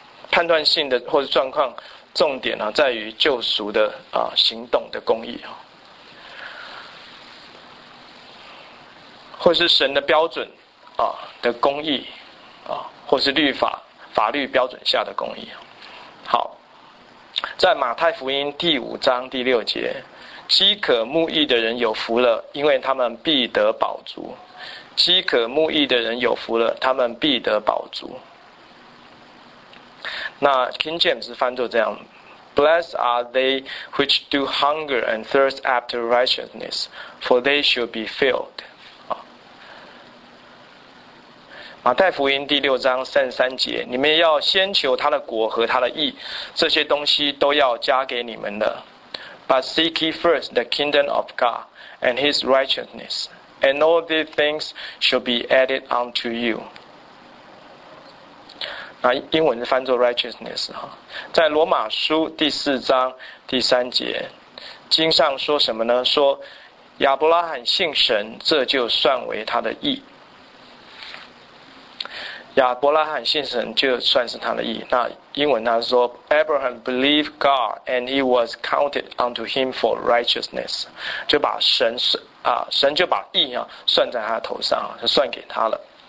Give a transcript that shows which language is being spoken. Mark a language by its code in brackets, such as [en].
[zh] 判断性的或是状况，重点在于救赎的行动的公义或是神的标准的公义或是律法法律标准下的公义。好，在马太福音5:6，饥渴慕义的人有福了，因为他们必得饱足。饥渴慕义的人有福了，他们必得饱足。那 [en] King James [zh] 翻作这样， [en] Blessed are they which do hunger and thirst after righteousness, for they shall be filled。 [zh] 马太福音6:33，你们要先求他的国和他的义，这些东西都要加给你们的。 [en] But seek ye first the kingdom of God and his righteousness, and all these things shall be added unto you。 [zh] 英文是翻作 righteousness。在罗马书4:3，经上说什么呢？说亚伯拉罕信神，这就算为他的义。亚伯拉罕信神就算是他的义。那英文他说 [en] Abraham believed God and it was counted unto him for righteousness， [zh] 就把神就把义算在他的头上，就算给他了。